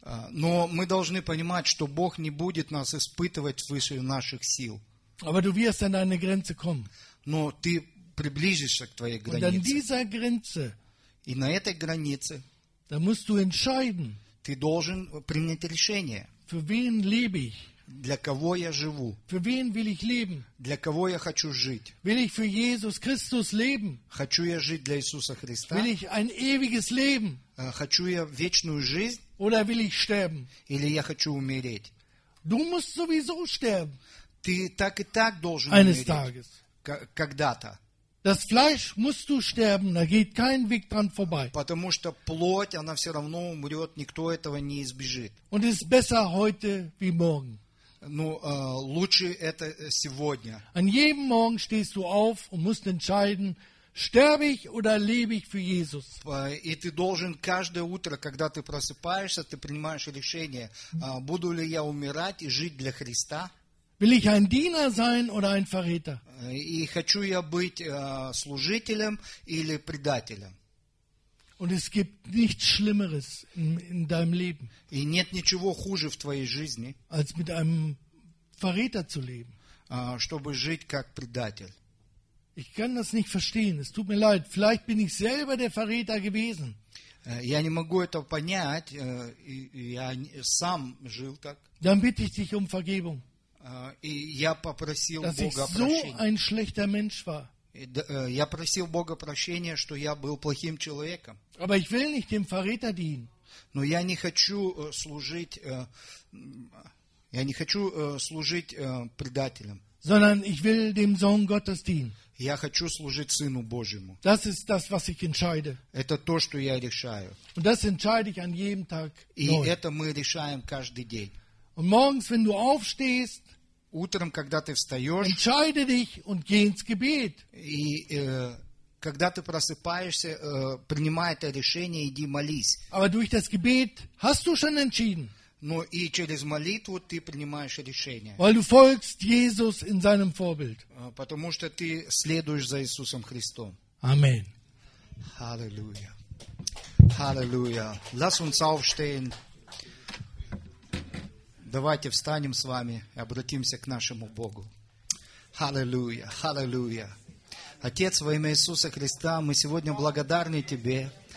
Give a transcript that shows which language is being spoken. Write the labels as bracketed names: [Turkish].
[Russian] Но мы должны понимать, что Бог не будет нас испытывать выше наших сил. [German] Aber du wirst an deine Grenze kommen. [Russian] Но ты приблизишься к твоей границе. [German] Und an dieser Grenze. [Russian] И на этой границе. [German] Da musst du entscheiden. [Russian] Ты должен принять решение. [German] Für wen lebe ich? [Russian] Для кого я живу? [German] Für wen will ich leben? [Russian] Для кого я хочу жить? [German] Will ich für Jesus Christus leben? [Russian] Хочу я жить для Иисуса Христа? [German] Will ich ein ewiges leben? [Russian] Хочу я вечную жизнь? [German] Oder will ich sterben? [Russian] Или я хочу умереть? [German] Du musst sowieso sterben. [Russian] Ты так и так должен [German] Eines [Russian] умереть. [German] Tages. [Russian] Когда-то. [German] Das Fleisch musst du sterben, da geht kein Weg dran vorbei. [Russian] Потому что плоть, она все равно умрет, никто этого не избежит. [German] Und es ist besser heute wie morgen. [Russian] Ну, лучше это сегодня. [German] An jedem Morgen stehst du auf und musst entscheiden, sterbe ich oder lebe ich für Jesus. [Russian] И ты должен каждое утро, когда ты просыпаешься, ты принимаешь решение, буду ли я умирать и жить для Христа. [German] Will ich ein Diener sein oder ein Verräter? [Russian] И хочу я быть служителем или предателем. [German] Und es gibt nichts Schlimmeres in deinem Leben. [Russian] И нет ничего хуже в твоей жизни. [German] Als mit einem Verräter zu leben. [Russian] Чтобы жить как предатель. [German] Ich kann das nicht verstehen. Es tut mir leid. Vielleicht bin ich selber der Verräter gewesen. [Russian] Я не могу это понять. Я сам жил так. [German] Dann bitte ich dich um Vergebung. [Russian] И я попросил [German] Dass [Russian] Бога [German] so [Russian] прощения. Я просил Бога прощения, что я был плохим человеком. [German] Aber ich will nicht dem Verräter dienen. [Russian] Но я не хочу служить, предателем. [German] Sondern ich will dem Sohn Gottes dienen. [Russian] Я хочу служить Сыну Божьему. [German] Das ist das, was ich entscheide. [Russian] Это то, что я решаю. [German] Und das entscheide ich an jedem Tag И neu. [Russian] Это мы решаем каждый день. [German] Und morgens, wenn du aufstehst, [Russian] утром, когда ты встаешь, [German] entscheide dich und geh ins Gebet. [Russian] И когда ты просыпаешься, принимай это решение, иди молись. [German] Aber durch das Gebet hast du schon entschieden. [Russian] Но и через молитву ты принимаешь решение. [German] Weil du folgst Jesus in seinem Vorbild. [Russian] Потому что ты следуешь за Иисусом Христом. [German] Amen. Halleluja. Halleluja. Lass uns aufstehen. [Russian] Давайте встанем с вами и обратимся к нашему Богу. Аллилуйя, аллилуйя. Отец, во имя Иисуса Христа, мы сегодня благодарны Тебе.